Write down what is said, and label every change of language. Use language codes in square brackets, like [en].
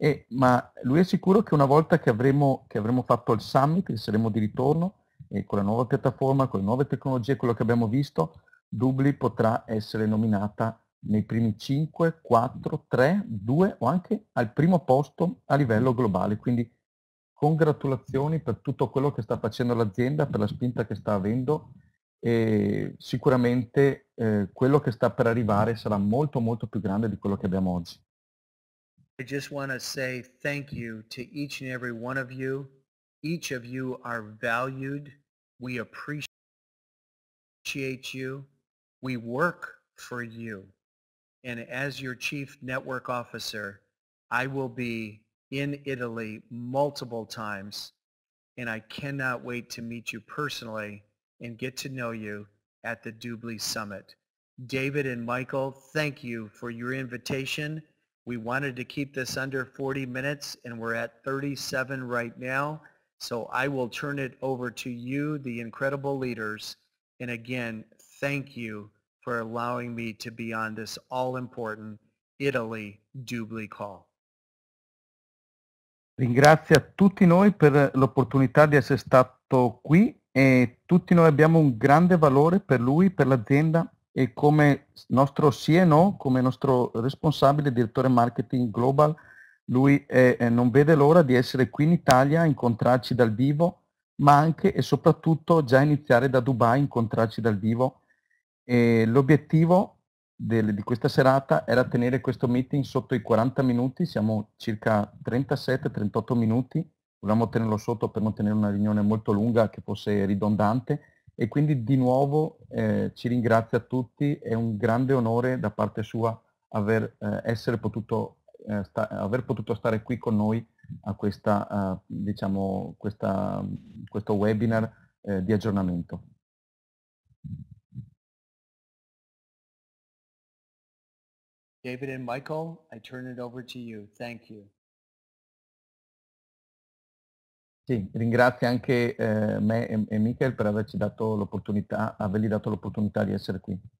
[it] ma lui è sicuro che una volta che avremo fatto il summit, che saremo di ritorno con la nuova piattaforma, con le nuove tecnologie, quello che abbiamo visto, Dubly potrà essere nominata nei primi 5, 4, 3, 2 o anche al primo posto a livello globale. Quindi congratulazioni per tutto quello che sta facendo l'azienda, per la spinta che sta avendo, e sicuramente quello che sta per arrivare sarà molto molto più grande di quello che abbiamo oggi. [en] I just want to say thank you to each and every one of you. Each of you are valued. We appreciate you. We work for you. And as your chief network officer, I will be in Italy multiple times, and I cannot wait to meet you personally and get to know you at the Dubly Summit. David and Michael, thank you for your invitation. We wanted to keep this under 40 minutes, and we're at 37 right now. So I will turn it over to you, the incredible leaders. And again, thank you for allowing me to be on this all-important Italy Dubly call. [it] Ringrazio a tutti noi per l'opportunità di essere stato qui, e tutti noi abbiamo un grande valore per lui, per l'azienda. E come nostro CNO, come nostro responsabile direttore marketing global, lui non vede l'ora di essere qui in Italia, incontrarci dal vivo, ma anche e soprattutto già iniziare da Dubai, incontrarci dal vivo. E l'obiettivo di questa serata era tenere questo meeting sotto i 40 minuti, siamo circa 37-38 minuti, volevamo tenerlo sotto per non tenere una riunione molto lunga che fosse ridondante. E quindi di nuovo ci ringrazio a tutti, è un grande onore da parte sua aver potuto stare qui con noi a questo webinar di aggiornamento. [en] David and Michael, I turn it over to you. Thank you. [it] Sì, ringrazio anche me e Michael per averci dato l'opportunità, avergli dato l'opportunità di essere qui.